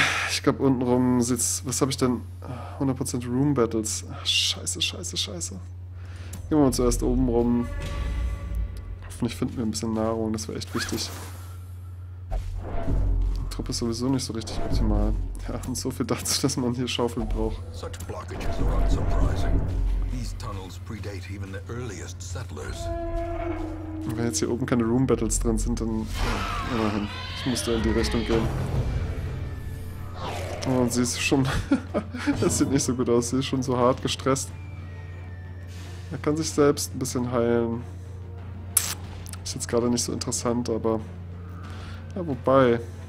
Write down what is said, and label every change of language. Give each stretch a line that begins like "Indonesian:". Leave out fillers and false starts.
German: Ich glaube, untenrum sitzt... Was habe ich denn? 100% Room Battles. Scheiße. Gehen wir mal zuerst oben rum. und ich finde mir ein bisschen Nahrung, das wäre echt wichtig. Die Truppe ist sowieso nicht so richtig optimal. Ja, und so viel dazu, dass man hier Schaufeln braucht.
English: Such blockages are unsurprising. These tunnels predate even the earliest settlers.
German: Wenn jetzt hier oben keine Room Battles drin sind, dann. Ja, immerhin. Ich muss da in die Richtung gehen. Oh, und sie ist schon. Das sieht nicht so gut aus. Sie ist schon so hart gestresst. Er kann sich selbst ein bisschen heilen. Ist jetzt gerade nicht so interessant, aber. Ja, wobei.